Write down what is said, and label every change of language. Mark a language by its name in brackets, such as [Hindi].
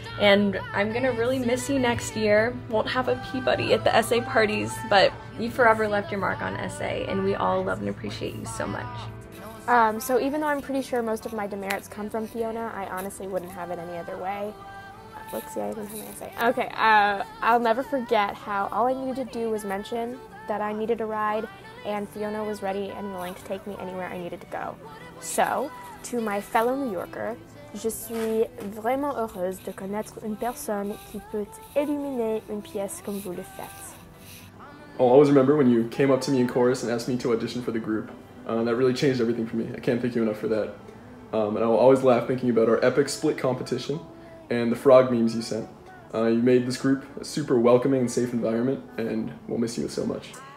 [English] And I'm gonna really miss you next year. Won't have a Peabody at the SA parties, but you forever left your mark on SA, and we all love and appreciate you so much. So even though I'm pretty sure most of my demerits come from Fiona, I honestly wouldn't have it any other way. Let's see, I even have my essay. Okay, I'll never forget how all I needed to do was mention that I needed a ride, and Fiona was ready and willing to take me anywhere I needed to go. So, to my fellow New Yorker, [French] je suis vraiment heureuse de connaître une personne qui peut illuminer une pièce comme vous le faites. [English] I'll always remember when you came up to me in chorus and asked me to audition for the group. That really changed everything for me. I can't thank you enough for that. And I'll always laugh thinking about our epic split competition and the frog memes you sent. You made this group a super welcoming and safe environment, and we'll miss you so much.